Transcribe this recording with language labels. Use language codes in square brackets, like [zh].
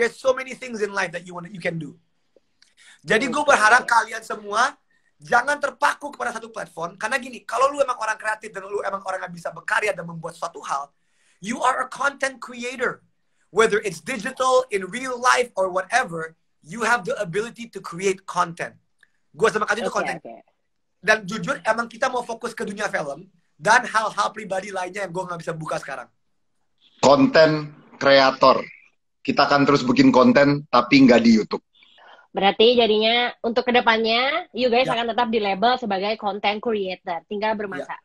[en] There's so many things in life that you can do. [id] Jadi gue berharap kalian semua jangan terpaku kepada satu platform. Karena gini, kalau lu emang orang kreatif dan lu emang orang yang bisa berkarya dan membuat suatu hal, [en] you are a content creator. Whether it's digital, in real life, or whatever, you have the ability to create content. [id] Gue sama kalian itu content. Okay. Dan jujur, emang kita mau fokus ke dunia film dan hal-hal pribadi lainnya yang gue gak bisa buka sekarang. Konten kreator. Kita akan terus bikin konten, tapi nggak di YouTube. Berarti jadinya untuk kedepannya, you guys akan tetap di-label sebagai content creator. Tinggal bermasa. Ya.